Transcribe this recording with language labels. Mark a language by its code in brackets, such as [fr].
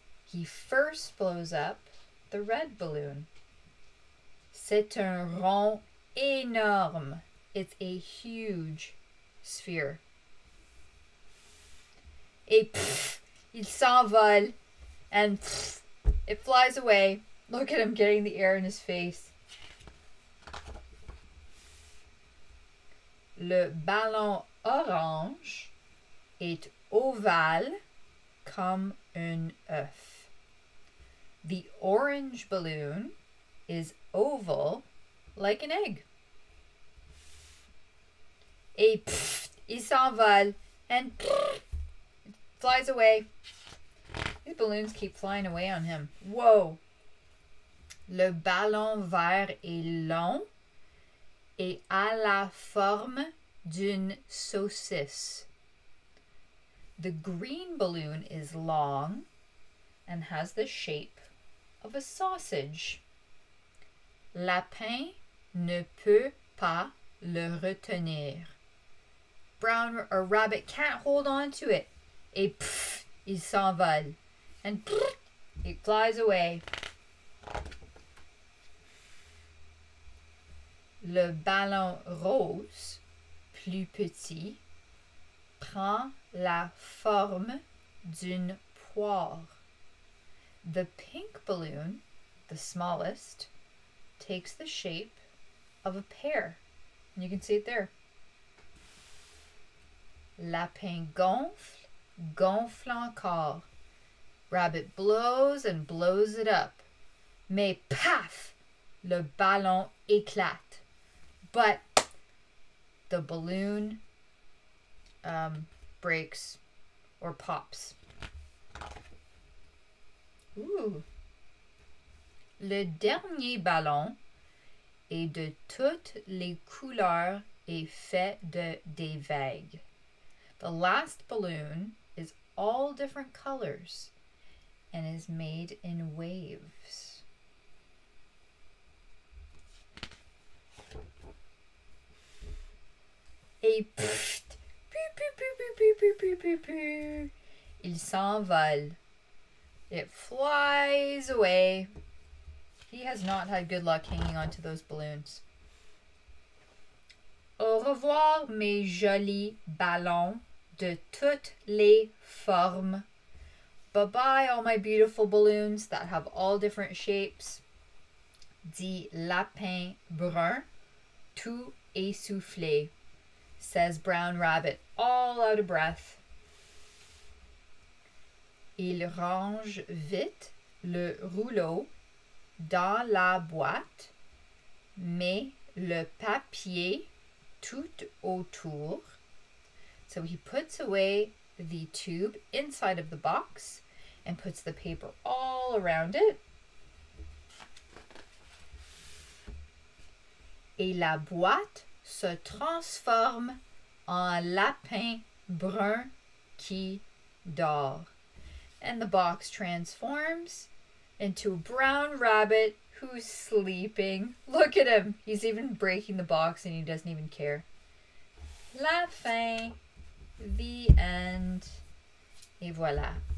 [en] He first blows up the red balloon. [fr] C'est un rond énorme. [en] It's a huge sphere. [fr] Et pff, il s'envole. [en] And pff, it flies away. Look at him getting the air in his face. [fr] Le ballon orange est ovale comme un œuf. [en] The orange balloon is oval like an egg. [fr] Et pff, il s'envole [en] and pff, it flies away. These balloons keep flying away on him. Whoa! [fr] Le ballon vert est long et à la forme d'une saucisse. [en] The green balloon is long and has the shape of a sausage. [fr] Lapin ne peut pas le retenir. [en] Brown or rabbit can't hold on to it. [fr] Et pff, il s'envole. [en] And pff, it flies away. [fr] Le ballon rose, plus petit, prend la forme d'une poire. [en] The pink balloon, the smallest, takes the shape of a pear. And you can see it there. [fr] Lapin gonfle, gonfle encore. [en] Rabbit blows and blows it up. [fr] Mais paf, le ballon éclate. [en] But the balloon breaks or pops. Ooh. [fr] Le dernier ballon est de toutes les couleurs et fait de des vagues. [en] The last balloon is all different colors and is made in waves. Et pfft, pew, pew, pew, pew, pew, pew, pew, pew, pew. [fr] Il s'envole. [en] It flies away. He has not had good luck hanging on to those balloons. [fr] Au revoir, mes jolis ballons de toutes les formes. [en] Bye-bye, all my beautiful balloons that have all different shapes. [fr] Dit lapin brun, tout essoufflé. [en] Says brown rabbit, all out of breath. [fr] Il range vite le rouleau dans la boîte, met le papier tout autour. [en] So he puts away the tube inside of the box and puts the paper all around it. [fr] Et la boîte se transforme en lapin brun qui dort. [en] And the box transforms into a brown rabbit who's sleeping. Look at him. He's even breaking the box and he doesn't even care. [fr] La fin. [en] The end. [fr] Et voilà.